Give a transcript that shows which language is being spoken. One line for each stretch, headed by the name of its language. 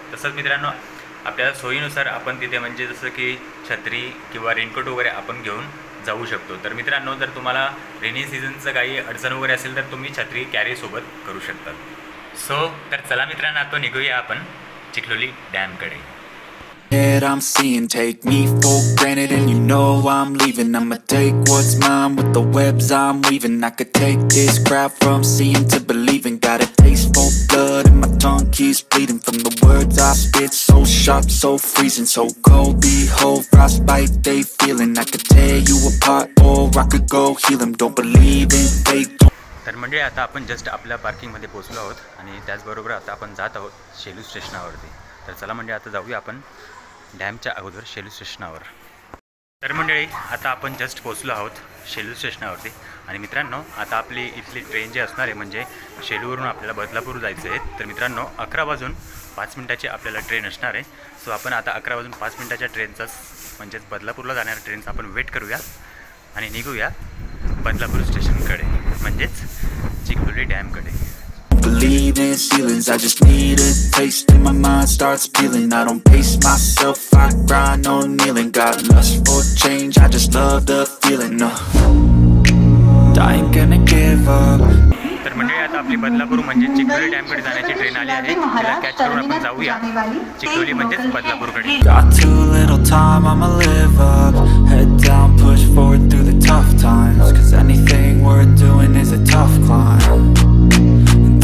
Marathi: तसंच मित्रांनो, आपल्या सोयीनुसार आपण तिथे म्हणजे जसं की छत्री किंवा रेनकोट वगैरे आपण घेऊन जाऊ शकतो. तर मित्रांनो, जर तुम्हाला रेनी सीझनचं काही अडचण वगैरे असेल तर तुम्ही छत्री कॅरीसोबत करू शकता. सो तर चला मित्रांनो, आता निघूया आपण Chikhloli डॅमकडे.
English: That I'm seeing, take me for granted, and you know I'm leaving. I'ma take what's mine with the webs I'm weaving. I could take this crowd from seeing to believing. Got a taste for blood, and my tongue keeps bleeding from the words I spit. So sharp, so freezing, so cold. Behold, frostbite they feeling. I could tear you apart, or I could go heal them. Don't believe in fate.
Marathi: तर मंडळी, आता आपण just आपल्या पार्किंगमध्ये पोहोचलो आहोत आणि त्याचबरोबर आता आपण जात आहोत शेलू स्टेशनावरती. तर चला मंडळी, आता जाऊया आपण डॅमच्या अगोदर शेलू स्टेशनावर. तर मंडळी, आता आपण जस्ट पोहोचलो आहोत शेलू स्टेशनावरती. आणि मित्रांनो, आता आपली इथली ट्रेन जी असणार आहे म्हणजे शेलूवरून आपल्याला बदलापूर जायचं आहे. तर मित्रांनो, 11:05 आपल्याला ट्रेन असणार आहे. सो आपण आता 11:05 ट्रेनचा म्हणजेच बदलापूरला जाणाऱ्या ट्रेनचा आपण वेट करूया आणि निघूया बदलापूर स्टेशनकडे म्हणजेच Chikhloli डॅमकडे.
English: Believe in ceilings, I just need a taste and my mind starts feeling. I don't pace myself, I grind on kneeling. Got lust for change, I just love the feeling. No, I ain't gonna give up.
Marathi: तर मंडळी, आता आपली बदलापूर म्हणजे चिखलोली डॅमकडे जाण्याची train आली आहे. तिला catch करून आपण जाऊया चिखलोली म्हणजेच बदलापूरकडे.
English: Got too little time, I'ma live up. Head down, push forward through the tough times. Cause anything worth doing is a tough climb.